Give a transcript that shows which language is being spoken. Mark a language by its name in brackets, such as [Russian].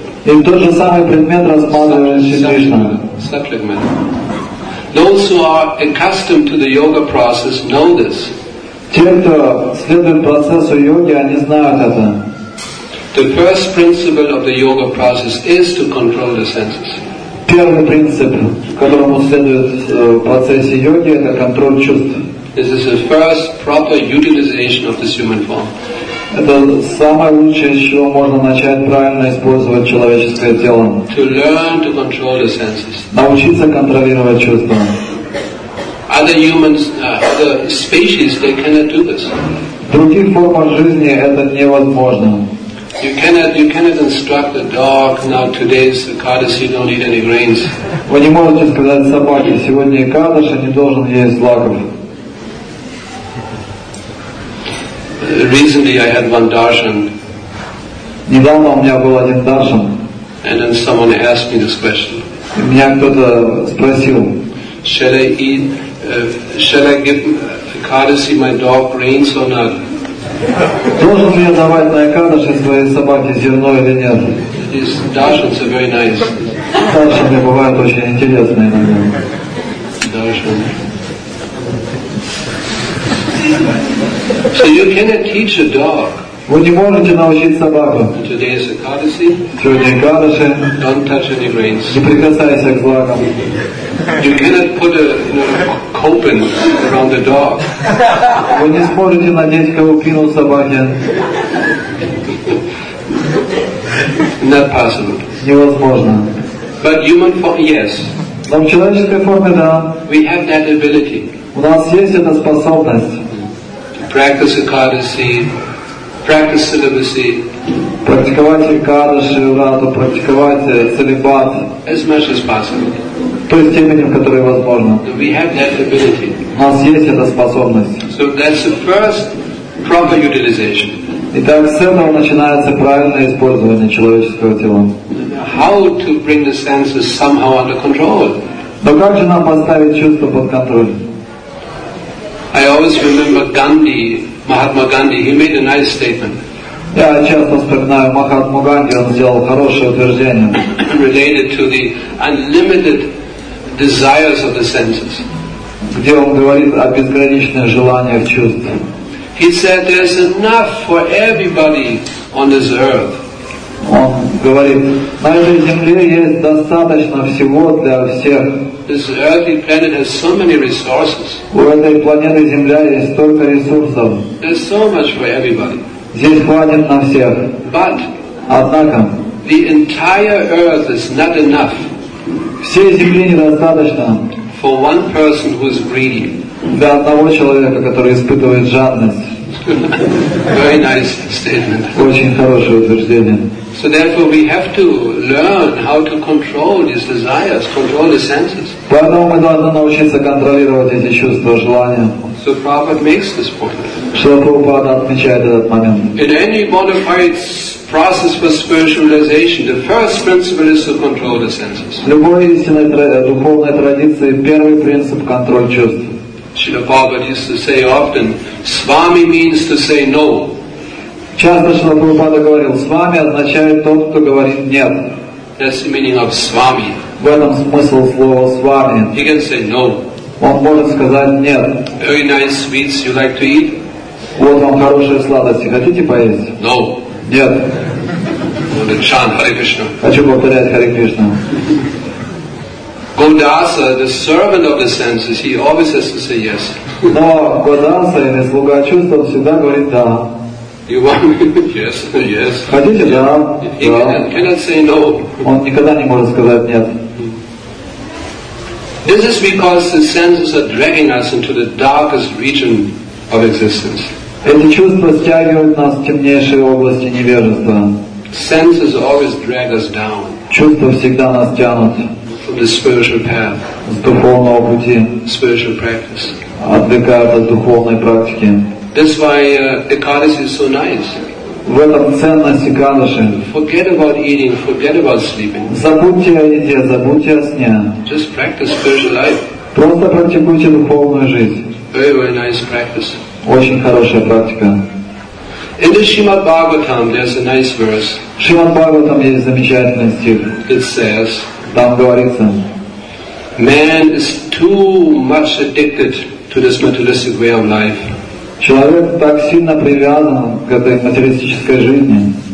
[Russian] И тот же самый предмет рассматривается Кришна. [English] supplement. Those who are accustomed to the yoga process know this. [Russian] Те, кто следует процессу йоги, они знают это. [English] The first principle of the yoga process is to control the senses. [Russian] Первый принцип, которому следует в процессе йоги, это контроль чувств. [English] This is the first proper utilization of this human form. [Russian] Это самое лучшее, с чего можно начать правильно использовать человеческое тело. [English] To learn to control the senses. [Russian] Научиться контролировать чувства. [English] Other humans, other species, they cannot do this. [Russian] Других форм жизни это невозможно. [English] You cannot instruct a dog. Now today's Ekadashi, you don't need any grains. [Russian] Вы не можете сказать собаке, сегодня Экадаши, не должен есть злаков. [English] Recently, I had one darshan. [Russian] Недавно у меня был один даршан. [English] And then someone asked me this question. [Russian] Меня кто-то спросил. [English] Shall I give Ekadashi my dog grains or not? [Russian] Должен ли я давать на Экадаши своей собаке зерно или нет? [English] These darshans are very nice. [Russian] Даршаны бывают очень интересные иногда. Даршаны. [English] So you cannot teach a dog. [Russian] Вы не можете научить собаку. [English] Today is Ekadashi. [Russian] Сегодня Экадаши. [English] Don't touch any grains. [Russian] Не прикасайся к злакам. [English] You cannot put a, you know, copen around the dog. [Russian] Вы не сможете надеть каупину собаке. [English] Not possible. [Russian] Невозможно. [English] But human form, yes. [Russian] Но в человеческой форме, да. [English] We have that ability. [Russian] У нас есть эта способность. [English] Practice Ekadashi, practice celibacy. [Russian] Практиковать Экадаши, врату, практиковать целибат. [English] As much as possible. [Russian] Той степенью, в которой возможно. [English] We have that ability. [Russian] У нас есть эта способность. [English] So that's the first proper utilization. [Russian] Итак, с этого начинается правильное использование человеческого тела. [English] How to bring the senses somehow under control? [Russian] Но как же нам поставить чувства под контроль? [English] I always remember Gandhi, Mahatma Gandhi. He made a nice statement. [Russian] Я часто вспоминаю Махатму Ганди. Он сделал хорошее утверждение. [English] Related to the unlimited desires of the senses. [Russian] Где он говорит о безграничных желаниях чувств. [English] He said, "There's enough for everybody on this earth." [Russian] Он говорит, на этой земле есть достаточно всего для всех. [English] This earthly planet has so many resources. [Russian] У этой планеты Земля есть столько ресурсов. [English] There's so much for everybody. [Russian] Здесь хватит на всех. [English] But [Russian] однако, [English] the entire earth is not enough. [Russian] Всей Земли недостаточно. [English] For one person who is greedy. [Russian] Для одного человека, который испытывает жадность. [English] Very nice statement. [Russian] Очень хорошее утверждение. [English] So therefore, we have to learn how to control these desires, control the senses. [Russian] Поэтому мы должны научиться контролировать эти чувства, желания. [English] So Prabhupada makes this point. [Russian] Шрила Прабхупада отмечает этот момент. [English] In any modified process for spiritualization, the first principle is to control the senses. [Russian] В любой истинной духовной традиции первый принцип — контроль чувств. [English] Шрила Прабхупада used to say often, "Swami means to say no." [Russian] Часто Шрила Прабхупада говорил, «Свами» означает тот, кто говорит «нет». [English] That's the meaning of «свами». [Russian] В этом смысл слова «свами». [English] He can say no. [Russian] Он может сказать «нет». [English] Very nice sweets you like to eat? [Russian] Вот вам хорошие сладости, хотите поесть? [English] No. [Russian] Нет. [English] Want to chant Hare Krishna. [Russian] Хочу повторять Hare Krishna. [English] Godasa, the servant of the senses, he always has to say yes. [Russian] Но Годаса, или слуга чувств, он всегда говорит «да». [English] You want? Yes, yes. [Russian] Хотите, да. [English] Cannot say no. [Russian] Он никогда не может сказать нет. [English] This is because the senses are dragging us into the darkest region of existence. [Russian] Эти чувства стягивают нас в темнейшие области невежества. [English] Senses always drag us down. [Russian] Чувства всегда нас тянут. [English] From the spiritual path. [Russian] С духовного пути. [English] Spiritual practice. [Russian] Отвлекают от духовной практики. [English] That's why Ekadashi is so nice. [Russian] В этом ценность Экадаши. [English] Forget about eating, forget about sleeping. [Russian] Забудьте о еде, забудьте о сне. [English] Just practice spiritual life. [Russian] Просто практикуйте духовную жизнь. [English] Very, very nice practice. [Russian] Очень хорошая практика. [English] In the Srimad Bhagavatam, there's a nice verse. [Russian] В Шримад Бхагаватам есть замечательный стих. [English] It says. [Russian] Там говорится. [English] Man is too much addicted to this materialistic way of life. [Russian] Человек так сильно привязан к этой материалистической жизни.